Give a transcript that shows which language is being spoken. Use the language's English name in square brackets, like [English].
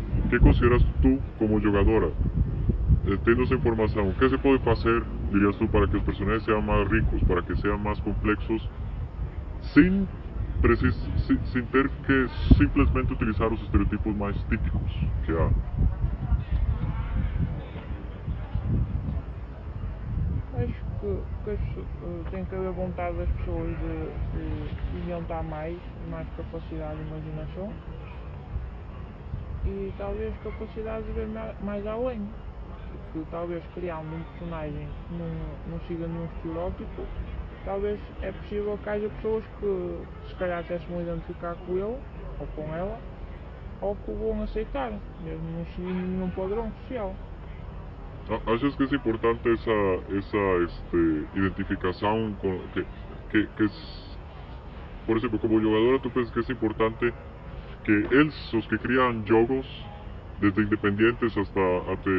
[Spanish] ¿Qué consideras tú como jugadora? Teniendo esa información, ¿qué se puede hacer, dirías tú, para que los personajes sean más ricos, para que sean más complejos, sin tener que simplemente utilizar los estereotipos más típicos que hay? [Portuguese] Que tem que haver vontade das pessoas de inventar mais capacidade de imaginação e talvez capacidade de ver mais além, porque talvez criando um personagem que não siga nenhum estereótipo, talvez é possível que haja pessoas que se calhar até se vão identificar com ele ou com ela, ou que o vão aceitar, mesmo não seguindo nenhum padrão social. ¿Achas [Spanish] que es importante esa identificación con que es, por ejemplo, como jugadora, tú piensas que es importante que los que crean juegos, desde independientes hasta AAA,